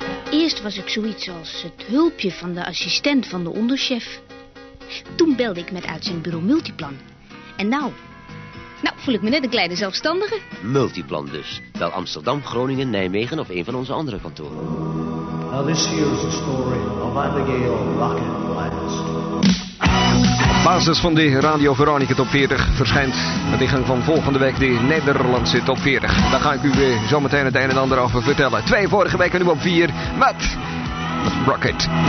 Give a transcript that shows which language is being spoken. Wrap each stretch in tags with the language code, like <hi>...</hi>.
<nl>Eerst was ik zoiets als het hulpje van de assistent van de onderchef. Toen belde ik met uitzendbureau Multiplan. En nou? Nou, voel ik me net een kleine zelfstandige. Multiplan dus. Bel Amsterdam, Groningen, Nijmegen of een van onze andere kantoren.</nl> <en>Now this here's the story of Abigail Rocket Blast.</en> <nl>Basis van de Radio Veronica Top 40 verschijnt met ingang van volgende week de Nederlandse Top 40. Daar ga ik u zometeen het een en ander over vertellen. 2 vorige weken nu op 4 met Rocket.</nl>